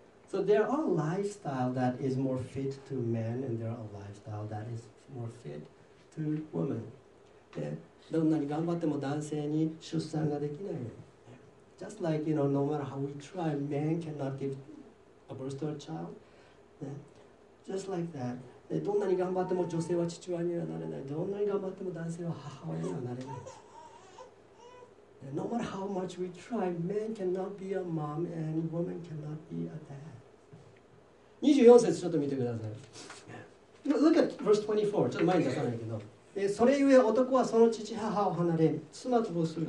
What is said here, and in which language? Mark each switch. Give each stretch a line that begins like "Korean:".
English: So there are lifestyle that is more fit to men, and there are lifestyle that is more fit to women.
Japanese: どんなに頑張っても男性に出産ができない。
English: Just like, you know, no matter how we try, men cannot give a birth to a child. Just like that.
Japanese: どんなに頑張っても女性は父親にはなれない。どんなに頑張っても男性は母親にはなれない。
English: No matter how much we try, man cannot be a mom and woman cannot be a dad.
Japanese: 24節ちょっと見てください。
English: Look at verse 24.
Japanese: ちょっと前に出さないけど。それゆえ男はその父母を離れ妻と同する。